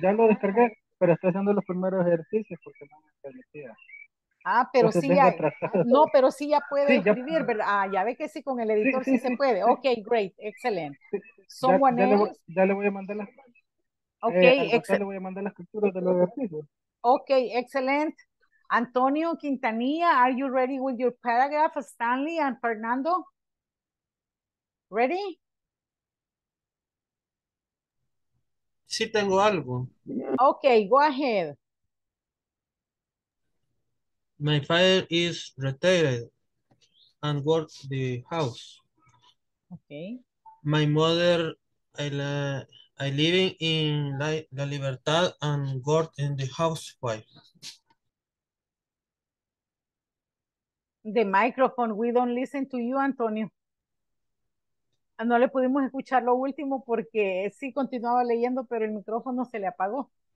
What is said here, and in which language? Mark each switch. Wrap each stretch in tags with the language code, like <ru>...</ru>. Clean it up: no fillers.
<es>ya lo descargué, pero estoy haciendo los primeros ejercicios porque no me permitía. Ah, pero entonces sí ya. No, pero sí ya puede sí, escribir, ya. ¿Verdad? Ah, ya ve que sí con el editor sí se puede.</es> <en>Sí. Ok, great, excellent. Sí. Someone</en> <es>else. Ya le voy a mandar las. Ok, le voy a mandar las capturas de los ejercicios.</es> <en>Ok, excellent. Antonio Quintanilla, are you ready with your paragraph, Stanley and Fernando? Ready?</en> <es>Sí, tengo algo.</es> <en>Ok, go ahead. My father is retired and works the house. Okay. My mother, I live in La Libertad and work in the housewife. The microphone, we don't listen to you, Antonio.</en> <es>No le pudimos escuchar lo último porque sí continuaba leyendo, pero el micrófono se le apagó.</es>